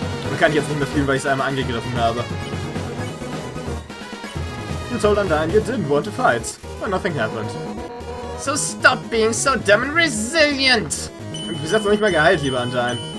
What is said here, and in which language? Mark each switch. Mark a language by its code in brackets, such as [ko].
[de] Man kann jetzt nicht mehr fliehen, weil ich es einmal angegriffen habe. [en] You told Undyne you didn't want to fight, but nothing happened. So stop being so damn resilient! [de] Du bist jetzt noch nicht mal geheilt, lieber Undyne.